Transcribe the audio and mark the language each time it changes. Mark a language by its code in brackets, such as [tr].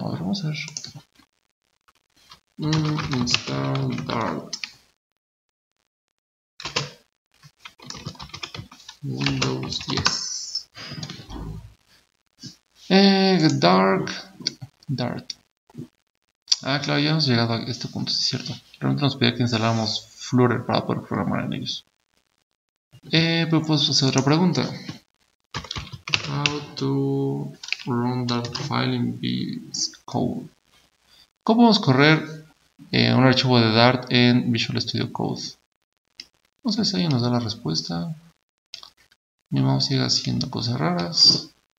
[es] A ver, vamos a ver. [en] Install Windows 10. [es] Dart. Ah, claro, ya hemos llegado a este punto, sí es cierto. Realmente nos pedía que instaláramos Flutter para poder programar en ellos. Pero puedo hacer otra pregunta. [en] How to run that file in VS Code. [es] ¿Cómo podemos correr un archivo de Dart en Visual Studio Code? No sé si alguien nos da la respuesta. Mi mamá sigue haciendo cosas raras.